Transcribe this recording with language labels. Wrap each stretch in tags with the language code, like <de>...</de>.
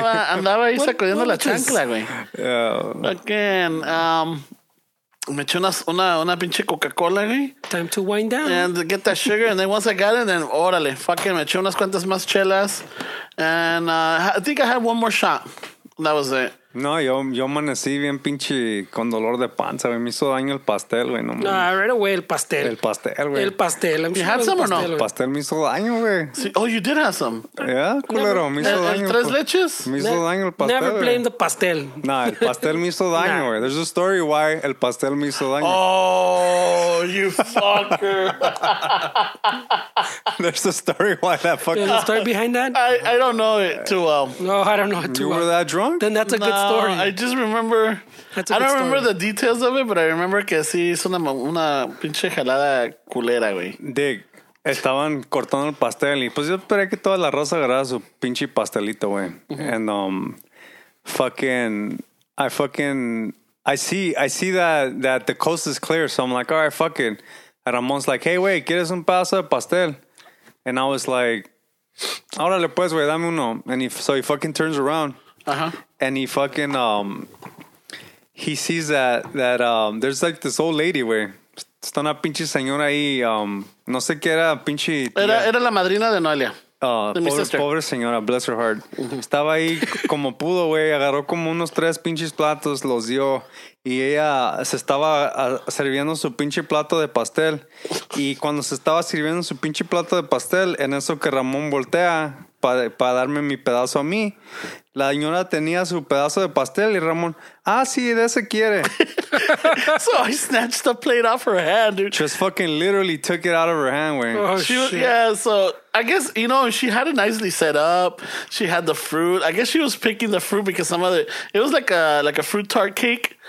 <es>Andaba ahí sacudiendo la chancla, güey.</es> <en>Yeah.</en> <es>Again, me eché una pinche Coca-Cola, güey.</es> <en>Time to wind down. And get that sugar. And then once I got it, then órale, fucking</en> <es>me eché unas cuantas más chelas.</es> <en>And I think I had one more shot. That was it.</en> <es>No, yo amanecí bien pinche con dolor de panza, güey. Me hizo daño el pastel, güey. No, no,</es> <en>right away,</en> <es>el pastel. El pastel, güey. El pastel.</es> <en>¿You had some or no?</en> <es>El pastel me hizo daño, güey.</es> <en>Sí. Oh, you did have some.</en> <es>Yeah, culero, me hizo daño. ¿El tres leches? Me hizo daño el pastel.</es> <en>Never blame the pastel.</en> <es>No, el pastel me hizo daño, güey.</es> <en>There's a story why</en> <es>el pastel me hizo daño.</es> <en>Oh, you fucker. There's a story why that fucker. There's a story behind that? I don't know it too well. No, I don't know it too you well. You were that drunk? Then that's a good story. I just remember, remember the details of it, but I remember</en> <es>que sí hizo una pinche jalada culera, güey. Dig, estaban cortando el pastel y pues yo esperé que toda la raza agarrara su pinche pastelito, güey. Mm-hmm.</es> <en>And I see that the coast is clear, so I'm like, all right, fuck it. And Ramon's like, hey,</en> <es>güey, ¿quieres un pedazo de pastel?</es> <en>And I was like,</en> <es>órale pues, güey, dame uno.</es> <en>And he fucking turns around. Uh-huh. And he fucking he sees that there's like this old lady where</en> <es>está una pinche señora ahí no sé qué era pinche tía. Era la madrina de Noelia. Pobre señora,</es> <en>bless her heart.</en> <es>Estaba ahí como pudo, güey. Agarró como unos tres pinches platos, los dio. Y ella se estaba sirviendo su pinche plato de pastel. Y cuando se estaba sirviendo su pinche plato de pastel, en eso que Ramón voltea para darme mi pedazo a mí, la señora tenía su pedazo de pastel. Y Ramón, ah, sí, de ese quiere.</es> <en>So I snatched the plate off her hand, dude. Just fucking literally took it out of her hand, güey. Oh, shit. Was, yeah, so I guess, you know, she had it nicely set up. She had the fruit. I guess she was picking the fruit because some other... It was like a fruit tart cake.</en>